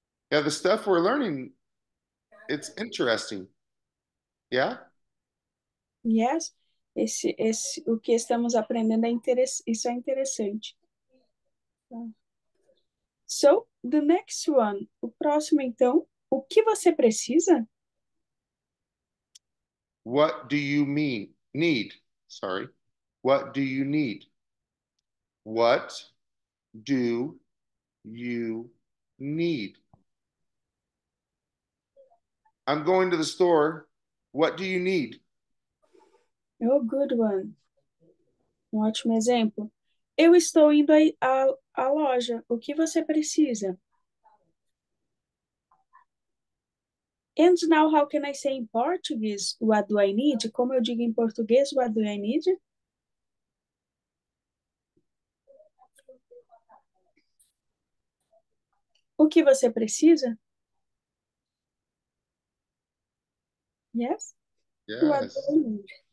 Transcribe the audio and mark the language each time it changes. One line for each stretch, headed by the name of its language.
English: Yeah, the stuff we're learning, it's interesting. Yeah? Yes.
Portuguese: Esse o que estamos aprendendo é interessante, isso é interessante.
English: So, the next one,
Portuguese: o próximo então, o que você precisa?
English: What do you mean? Need. Sorry. What do you need? What do you need? I'm going to the store. What do you need? Oh, good one.
Portuguese: Um ótimo exemplo. Eu estou indo à loja. O que você precisa?
English: And now, how can I say in Portuguese, what do I need?
Portuguese: Como eu digo em português,
English: what do I need?
Portuguese: O que você precisa?
English: Yes? What Yes. do I need?